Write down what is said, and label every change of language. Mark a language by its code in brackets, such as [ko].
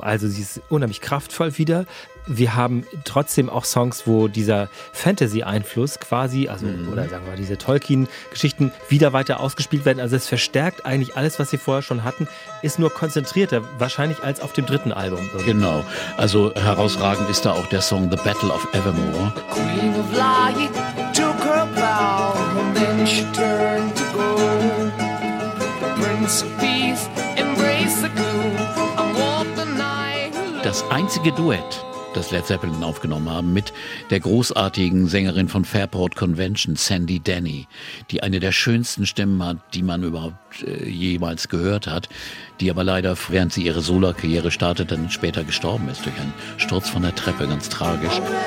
[de] Also sie ist unheimlich kraftvoll wieder. Wir haben trotzdem auch Songs, wo dieser Fantasy-Einfluss quasi, also oder sagen wir diese Tolkien-Geschichten wieder weiter ausgespielt werden. Also es verstärkt eigentlich alles, was sie vorher schon hatten, ist nur konzentrierter wahrscheinlich als auf dem dritten Album. Irgendwie. Genau, also herausragend ist da auch der Song The Battle of Evermore. [en] Queen of Light took her bow and then she turned to go. Prince of Peace embraced the gloom. I walk the night. [de] Das einzige Duett, das Led Zeppelin aufgenommen haben, mit der großartigen Sängerin von Fairport Convention, Sandy Denny, die eine der schönsten Stimmen hat, die man überhaupt jemals gehört hat, die aber leider, während sie ihre Solo-Karriere startet, dann später gestorben ist durch einen Sturz von der Treppe, ganz tragisch.